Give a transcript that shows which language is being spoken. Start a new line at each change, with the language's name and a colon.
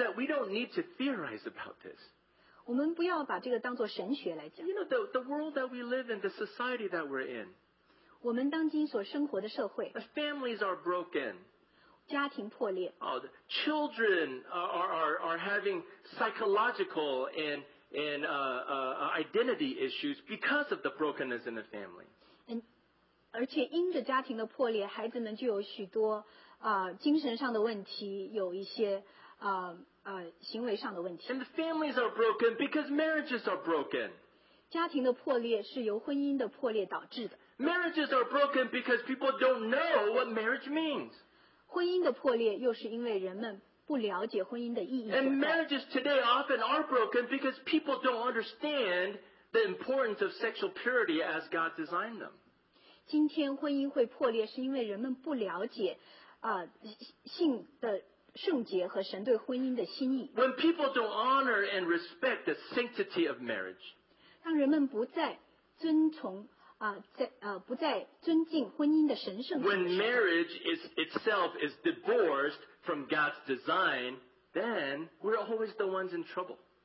English: that we don't need to theorize about this.
Chinese: 我们不要把这个当作神学来讲。
English: You know, the world that we live in, the society that we're in,
Chinese: 我们当今所生活的社会,
English: the families are broken,
Chinese: 家庭破裂,
English: the children are having psychological and identity issues because of the brokenness in the family.
Chinese: 而且因着家庭的破裂, 孩子们就有许多, 精神上的问题, 有一些,
English: And the families are broken because marriages are broken.
Chinese: 家庭的破裂是由婚姻的破裂导致的。
English: Marriages are broken because people don't know what marriage means.
Chinese: 婚姻的破裂又是因为人们不了解婚姻的意义。
English: And marriages today often are broken because people don't understand the importance of sexual purity as God designed them.
Chinese: 今天婚姻会破裂是因为人们不了解, 性的
English: When people don't honor and respect the sanctity of marriage,
Chinese: 让人们不再尊崇, 不再尊敬婚姻的神圣,
English: when marriage is itself is divorced from God's design, then we're always the ones in trouble.